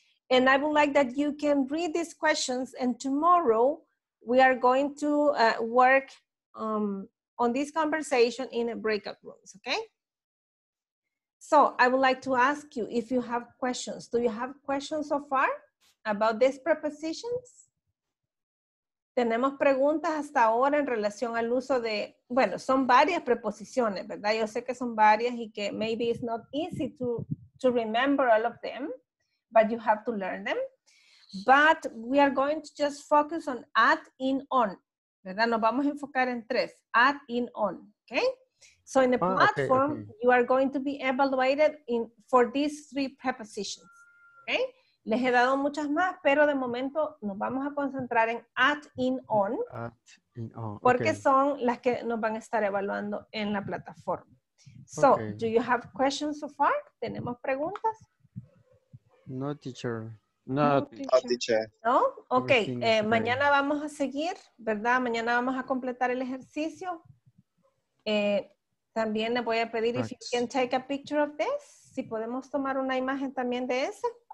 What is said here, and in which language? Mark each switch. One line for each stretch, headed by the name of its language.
English: And I would like that you can read these questions, and tomorrow we are going to work on this conversation in a breakout rooms, okay? So I would like to ask you if you have questions. Do you have questions so far about these prepositions?
Spanish: Tenemos preguntas hasta ahora en relación al uso de, bueno, son varias preposiciones, ¿verdad? Yo sé que son varias y que
English: maybe it's not easy to remember all of them. But you have to learn them. But we are going to just focus on at, in, on. ¿Verdad?
Spanish: Nos vamos a enfocar en tres. At, in, on. Okay?
English: So in the platform, you are going to be evaluated for these three prepositions. Okay?
Spanish: Les he dado muchas más, pero de momento nos vamos a concentrar en at, in, on.
English: At, in, on.
Spanish: Porque son las que nos van a estar evaluando en la plataforma.
English: So, okay. Do you have questions so far?
Spanish: ¿Tenemos preguntas?
English: No, teacher. No, teacher.
Spanish: No? Ok, mañana vamos a seguir, ¿verdad? Mañana vamos a completar el ejercicio. También le voy a pedir,
English: if you can take a picture of this,
Spanish: si podemos tomar una imagen también de esa.